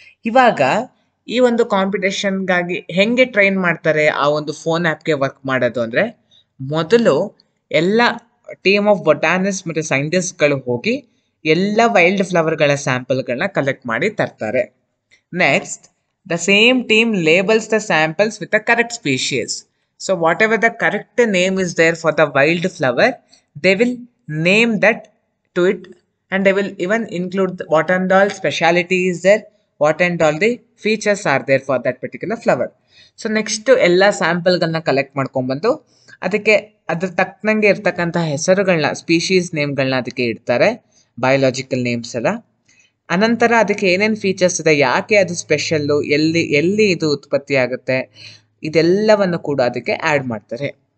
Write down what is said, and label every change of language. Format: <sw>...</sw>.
<kn>ಇವಾಗ ಈ ಒಂದು ಕಾಂಪಿಟೇಷನ್ಗಾಗಿ ಹೆಂಗೆ ಟ್ರೈನ್ ಮಾಡ್ತಾರೆ ಆ ಒಂದು ಫೋನ್ ಆ್ಯಪ್ಗೆ ವರ್ಕ್ ಮಾಡೋದು ಅಂದರೆ, ಮೊದಲು ಎಲ್ಲ</kn> <en>team of botanist</en> <kn>ಮತ್ತು ಸೈಂಟಿಸ್ಟ್ಗಳು ಹೋಗಿ ಎಲ್ಲ ವೈಲ್ಡ್ ಫ್ಲವರ್ಗಳ ಸ್ಯಾಂಪಲ್ಗಳನ್ನ ಕಲೆಕ್ಟ್ ಮಾಡಿ ತರ್ತಾರೆ.</kn> <en>Next, the same team labels the samples with the correct species. So whatever the correct name is there for the wild flower, they will name that to it, and they will even include what and all speciality is there, what and all the features are there for that particular flower. So next</en> <kn>ಎಲ್ಲ ಸ್ಯಾಂಪಲ್ಗಳನ್ನ collect ಮಾಡ್ಕೊಂಡ್ಬಂದು ಅದಕ್ಕೆ ಅದ್ರ ತಕ್ಕನಂಗೆ ಇರ್ತಕ್ಕಂಥ ಹೆಸರುಗಳನ್ನ species ನೇಮ್ಗಳನ್ನ ಅದಕ್ಕೆ ಇಡ್ತಾರೆ, biological names ಎಲ್ಲ. ಅನಂತರ ಅದಕ್ಕೆ ಏನೇನು ಫೀಚರ್ಸ್ ಇದೆ, ಯಾಕೆ ಅದು ಸ್ಪೆಷಲ್ಲು, ಎಲ್ಲಿ ಎಲ್ಲಿ ಇದು ಉತ್ಪತ್ತಿ ಆಗುತ್ತೆ, ಇದೆಲ್ಲವನ್ನು ಕೂಡ ಅದಕ್ಕೆ ಆ್ಯಡ್ ಮಾಡ್ತಾರೆ.</kn>